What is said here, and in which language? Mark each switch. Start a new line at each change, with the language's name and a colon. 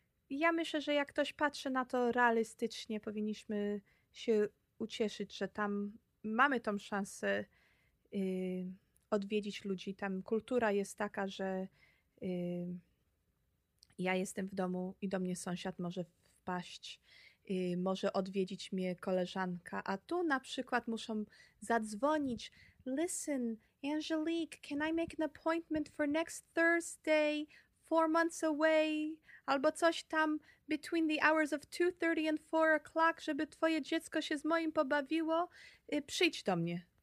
Polish: Ja myślę, że jak ktoś patrzy na to realistycznie, powinniśmy się ucieszyć, że tam mamy tą szansę odwiedzić ludzi. Tam kultura jest taka, że ja jestem w domu i do mnie sąsiad może wpaść, może odwiedzić mnie koleżanka, a tu na przykład muszą zadzwonić.
English: Listen, Angelique, can I make an appointment for next Thursday? 4 months away,
Polish: albo coś tam
English: between the hours of 2:30 and 4 o'clock,
Polish: żeby twoje dziecko się z moim pobawiło, przyjdź do mnie.